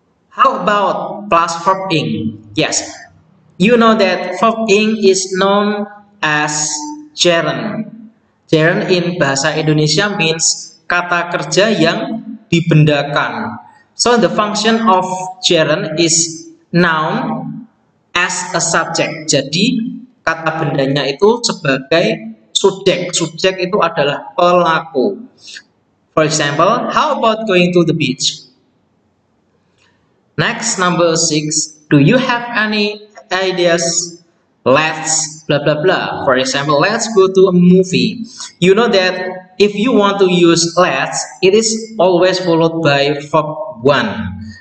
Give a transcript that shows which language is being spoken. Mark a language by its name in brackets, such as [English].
[English] How about plus verb ing? Yes, you know that verb ing is known as gerund. Gerund in bahasa Indonesia means [Indonesian] kata kerja yang dibendakan. [English] So the function of gerund is noun as a subject. [Indonesian] Jadi kata bendanya itu sebagai subjek. Subjek itu adalah pelaku. [English] For example, how about going to the beach? Next, number six, do you have any ideas? Let's blah blah blah. For example, let's go to a movie. You know that if you want to use let's, it is always followed by verb one.